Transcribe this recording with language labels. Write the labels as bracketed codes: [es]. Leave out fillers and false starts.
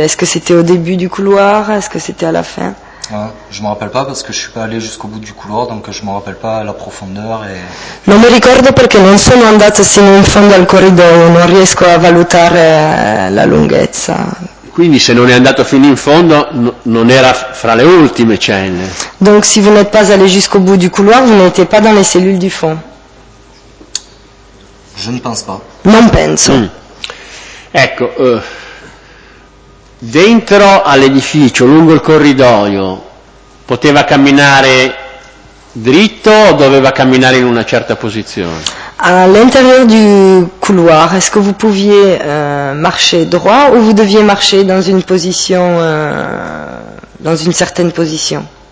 [fr] Est-ce que c'était au début du couloir? Est-ce que c'était à la fin? Je me rappelle pas parce que je suis pas allé jusqu'au bout du couloir, donc je me rappelle pas la profondeur et. [it] Non mi ricordo perché non sono andata sino in fondo al corridoio, non riesco a valutare la lunghezza. Quindi se non è andato fino in fondo non era fra le ultime celle. [fr] Donc si vous n'êtes pas allé jusqu'au bout du couloir, vous n'étiez pas dans les cellules du fond. Je ne pense pas. [it] Non penso. Mm. Ecco, dentro all'edificio, lungo il corridoio, poteva camminare dritto o doveva camminare in una certa posizione? [fr] À l'intérieur du couloir, est-ce que vous pouviez marcher droit ou vous deviez marcher dans une position, dans une certaine position?